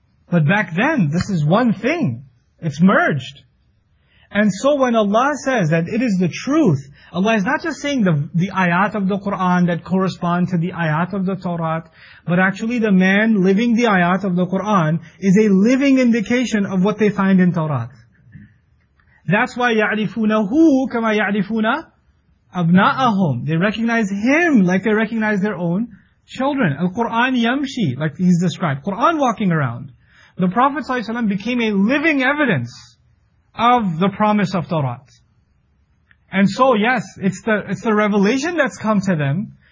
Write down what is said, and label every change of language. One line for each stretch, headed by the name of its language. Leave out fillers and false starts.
English: But back then, this is one thing. It's merged. And so when Allah says that it is the truth, Allah is not just saying the ayat of the Quran that correspond to the ayat of the Torah, but actually the man living the ayat of the Quran is a living indication of what they find in Torah. That's why
Arabic: يَعْرِفُونَهُ كَمَا يَعْرِفُونَ أَبْنَاءَهُمْ.
English: They recognize him like they recognize their own children.
Arabic: Al-Quran yamshi,
English: like he's described. Quran walking around. The Prophet ﷺ became a living evidence of the promise of Torah. And so, yes, it's the revelation that's come to them.